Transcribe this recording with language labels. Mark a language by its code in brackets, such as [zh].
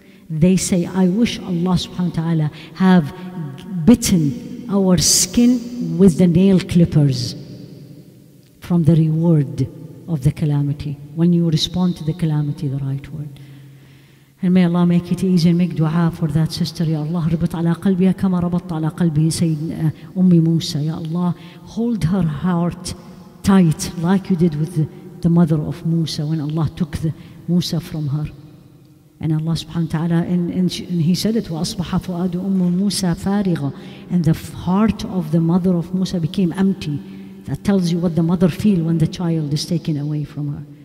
[en] They say, I wish Allah subhanahu wa ta'ala have bitten our skin with the nail clippers from the reward of the calamity. When you respond to the calamity, the right word. And may Allah make it easy and make dua for that sister. [ar] Ya Allah, ربط على قلبها كما ربط على قلبي سيدنا أمي موسى. [en] Ya Allah, hold her heart tight like you did with the mother of Musa when Allah took the Musa from her. And Allah subhanahu wa ta'ala, and he said it, وَأَصْبَحَ فُؤَادُ أُمُّ مُوسَى فَارِغًا. And the heart of the mother of Musa became empty. That tells you what the mother feels when the child is taken away from her.